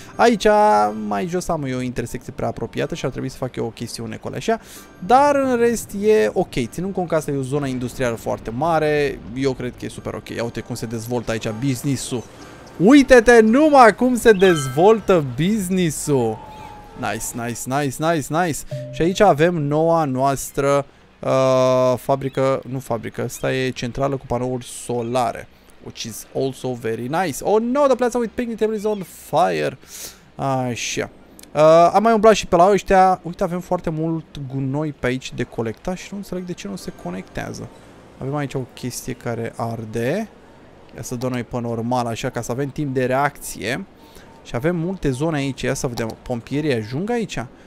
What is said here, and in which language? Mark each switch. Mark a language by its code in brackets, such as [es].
[ro] Aici, mai jos, am eu o intersecție prea apropiată și ar trebui să fac eu o chestiune cu așa. Dar, în rest, e ok. Ținând cont că asta e o zonă industrială foarte mare, eu cred că e super ok. Ia uite cum se dezvoltă aici business-ul. Uite-te numai cum se dezvoltă business-ul. [en] Nice, nice, nice, nice, nice. [ro] Și aici avem noua noastră fabrică, nu fabrică, asta e centrală cu panouri solare. [en] Which is also very nice. Oh no, the place with picnic table is on fire. [ro] Așa. Am mai umblat și pe la ăștia. Uite, avem foarte mult gunoi pe aici de colectat și nu înțeleg de ce nu se conectează. Avem aici o chestie care arde. Ia să dăm noi pe normal, așa, ca să avem timp de reacție. Și avem multe zone aici. Ia să vedem, pompierii ajung aici?